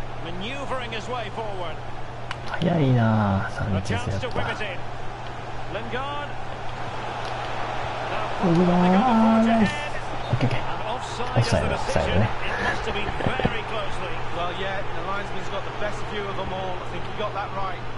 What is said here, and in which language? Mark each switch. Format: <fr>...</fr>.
<en>Maneuvering his way forward.</en> <ja>早いなあ、サンチェスやっぱ。オフサイド、オフサイドね。オフサイドね。</ja> <en>Well, yeah, the linesman's got the best view of them all. I think he got that right.</en>